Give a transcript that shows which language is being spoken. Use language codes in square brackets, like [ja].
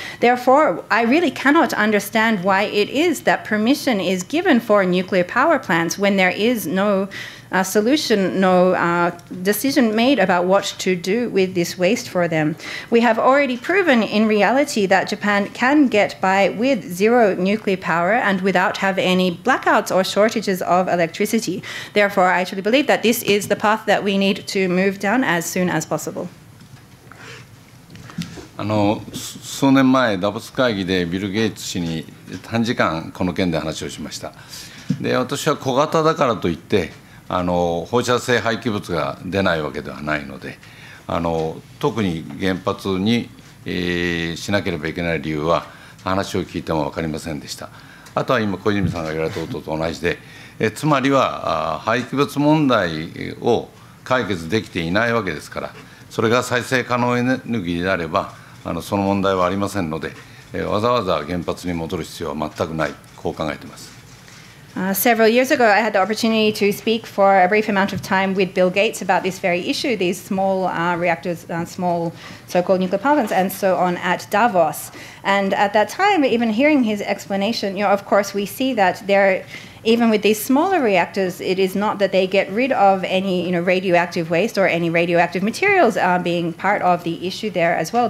[en] Therefore, I really cannot understand why it is that permission is given for nuclear power plants when there is no solution, no decision made about what to do with this waste for them. We have already proven in reality that Japan can get by with zero nuclear power and without having any blackouts or shortages of electricity. Therefore, I truly believe that this is the path that we need to move down as soon as possible. [ja] 数年前ダボス会議でビル・ゲイツ氏に短時間この件で話をしました。で、私は小型だからといって放射性廃棄物が出ないわけではないので、特に原発に、しなければいけない理由は話を聞いても分かりませんでした。あとは今小泉さんが言われたことと同じで、つまりは廃棄物問題を解決できていないわけですから、それが再生可能エネルギーであればその問題はありませんので、わざわざ原発に戻る必要は全くない、こう考えています。 [en] Several years ago, I had the opportunity to speak for a brief amount of time with Bill Gates about this very issue, these small reactors, small so-called nuclear power plants and so on at Davos. And at that time, even hearing his explanation, you know, of course, we see that there, even with these smaller reactors, it is not that they get rid of any, you know, radioactive waste or any radioactive materials being part of the issue there as well.